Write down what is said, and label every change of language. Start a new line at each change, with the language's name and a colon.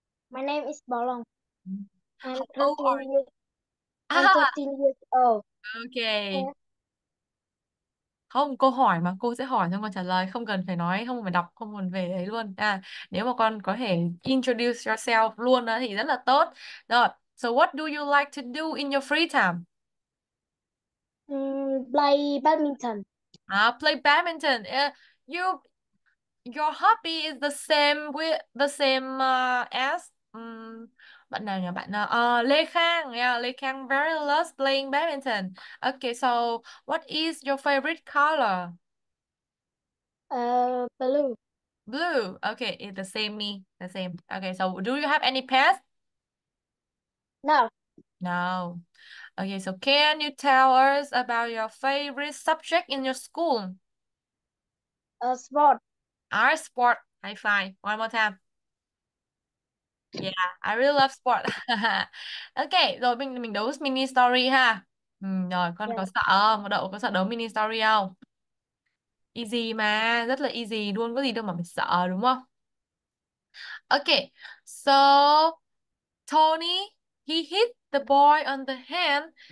English: My name is Bolong. I'm How old 13 are you? years. I'm 13 years old. Okay.
Vietnamese: Không, cô hỏi mà cô sẽ hỏi xong con trả lời, không cần phải nói, không cần phải đọc, không cần về đấy luôn. Nếu mà con có thể
English: introduce yourself
Vietnamese: luôn đó thì rất là tốt.
English: Rồi, so what do you like to do in your free time? Play badminton. Play badminton. Your hobby is the same with the same as
Vietnamese: bạn nào nhỉ? Bạn nào?
English: Lê Khang. Lê Khang very loves playing badminton. Okay, so what is your favorite color? Blue. Blue. Okay, it's the same me. The same. Okay, so do you have any pets? No. No. Okay, so can you tell us about your favorite subject in your school? A sport. Our sport. High five. One more time. Yeah, I really love sport.
Vietnamese: Okay, rồi mình đấu mini story ha. Rồi, con có sợ không? Đậu có sợ đấu mini story không? Easy mà, rất là easy luôn, có gì đâu mà mình sợ đúng không?
English: Okay, so Tony, he hit the boy on the hand.